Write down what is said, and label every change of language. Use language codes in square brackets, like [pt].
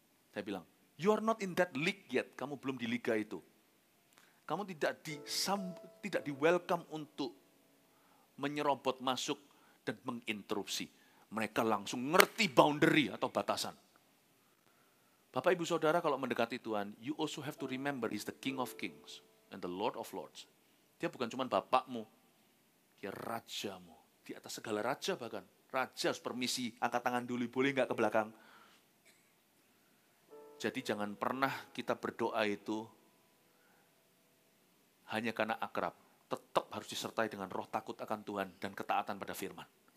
[id] Saya bilang, [en] you are not in that league yet. [id] Kamu belum di liga itu. Kamu tidak di welcome untuk menyerobot masuk dan menginterupsi. Mereka langsung ngerti boundary atau batasan. Bapak, Ibu, Saudara, kalau mendekati Tuhan, [en] you also have to remember He's the King of Kings and the Lord of Lords. [id] Dia bukan cuma bapakmu, dia rajamu. Di atas segala raja bahkan. Raja harus permisi, angkat tangan dulu, boleh enggak ke belakang. Jadi jangan pernah kita berdoa itu hanya karena akrab. Tetap harus disertai dengan roh takut akan Tuhan dan ketaatan pada firman.